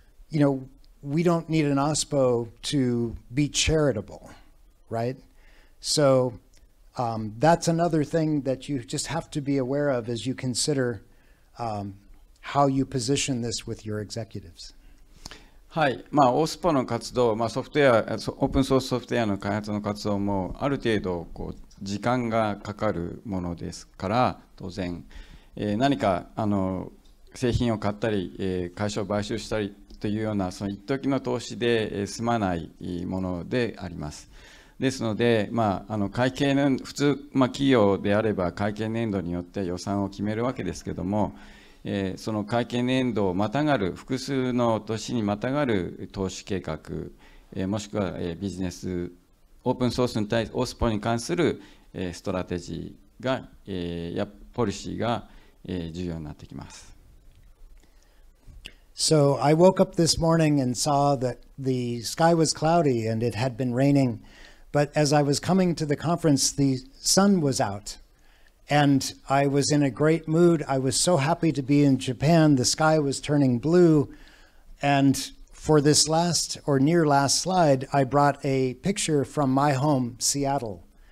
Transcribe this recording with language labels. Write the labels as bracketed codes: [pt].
[en] You know, we don't need an OSPO to be charitable, right? So that's another thing that you just have to be aware of as you consider how you position this with your executives. [ja] はい、まあ、OSPO の活動、まあ、ソフトウェア、オープンソースソフトウェアの開発の活動もある程度こう時間がかかるものですから、当然、何か製品を買ったり、会社を買収したりというような、その一時の投資で、済まないものであります。ですので、まあ、会計年、普通、まあ、企業であれば会計年度によって予算を決めるわけですけども、その会計年度をまたがる、複数の年にまたがる投資計画、もしくはビジネス、オープンソースに対する、OSPOに関するストラテジーが、やポリシーが重要になってきます。 [en] So I woke up this morning and saw that the sky was cloudy and it had been raining, but as I was coming to the conference, the sun was out. And I was in a great mood. I was so happy to be in Japan. The sky was turning blue. And for this last or near last slide, I brought a picture from my home, Seattle.